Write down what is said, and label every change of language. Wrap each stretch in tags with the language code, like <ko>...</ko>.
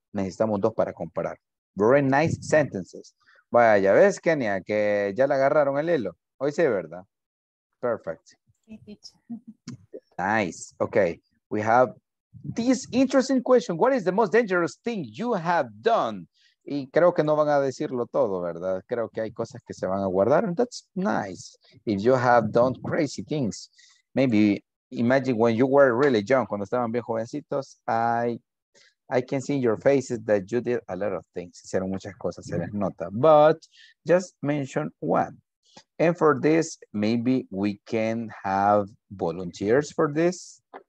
<es>Necesitamos dos para comparar.</es> <en>Very nice sentences.</en> <es>Vaya, ya ves, Kenia, que ya le agarraron el hilo. Hoy sí, ¿verdad?</es> <en>Perfect. Nice. Okay. We have this interesting question. What is the most dangerous thing you have done?</en> <es>Y creo que no van a decirlo todo, ¿verdad? Creo que hay cosas que se van a guardar.</es> <en>And that's nice. If you have done crazy things, maybe imagine when you were really young,</en> <es>cuando estaban bien jovencitos,</es> <en>I can see in your faces that you did a lot of things.</en> <es>Hicieron muchas cosas, se les nota.</es> <en>But just mention one. And for this, maybe we can have volunteers for this.</en>